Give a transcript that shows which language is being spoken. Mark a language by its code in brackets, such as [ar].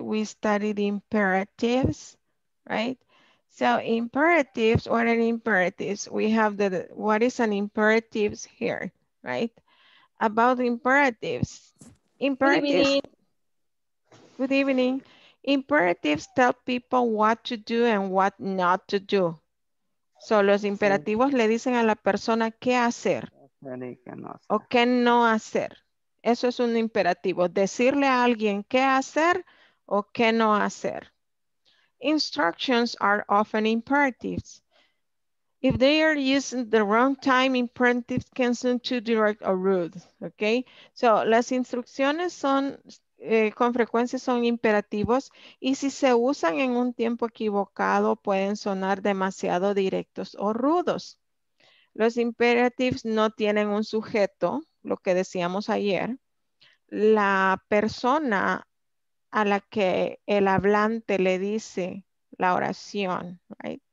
[en] We studied imperatives, right? So imperatives, what are imperatives? We have the, what is an imperatives here, right? About imperatives. Imperatives. Good evening. Imperatives tell people what to do and what not to do. [es] So los imperativos le dicen a la persona qué hacer o qué no hacer. Eso es un imperativo, decirle a alguien qué hacer o qué no hacer. [en] Instructions are often imperatives. If they are used in the wrong time, imperatives can seem too direct or rude. Okay? [es] So, las instrucciones son, con frecuencia son imperativos y si se usan en un tiempo equivocado pueden sonar demasiado directos o rudos. Los imperatives no tienen un sujeto, lo que decíamos ayer, la persona a la que el hablante le dice la oración, right?